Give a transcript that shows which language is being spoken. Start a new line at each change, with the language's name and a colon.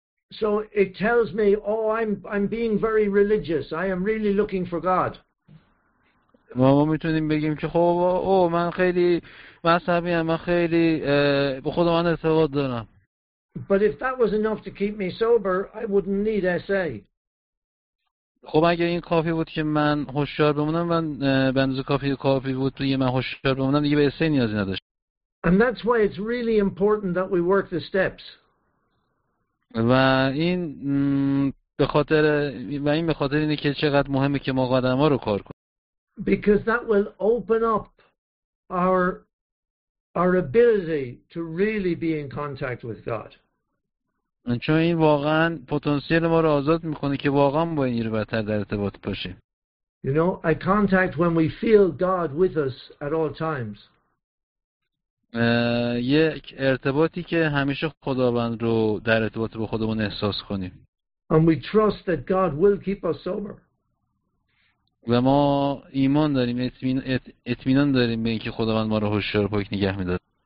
English: So it tells me, oh, I'm being very religious. I am really looking for God.
Persian: ما میتونیم بگیم که خب او من خیلی مذهبی ام، من خیلی به خدا من اعتقاد دارم.
English: But if that was enough to keep me sober, I wouldn't need SA.
Persian: خب اگر این کافی بود که من هوشیار بمونم، من به اندازه کافی بود که من هوشیار بمونم، دیگه به SA نیازی نداشت.
English: And that's why it's really important that we work the steps.
Persian: و این به خاطر اینه که چقدر مهمه که ما قدم‌ها رو کار کنیم.
English: Because that will open up our ability to really be in contact with God.
Persian: چون این واقعا پتانسیل ما رو آزاد میکنه که واقعا با این بهتر در ارتباط باشیم.
English: You know, a contact when we feel God with us at all times.
Persian: یک ارتباطی که همیشه خداوند رو در ارتباط با خودمون احساس کنیم.
English: And we trust that God will keep us sober.
Persian: و ما ایمان داریم، اطمینان داریم به اینکه خداوند ما رو هوشیار و پاک نگه می‌داره.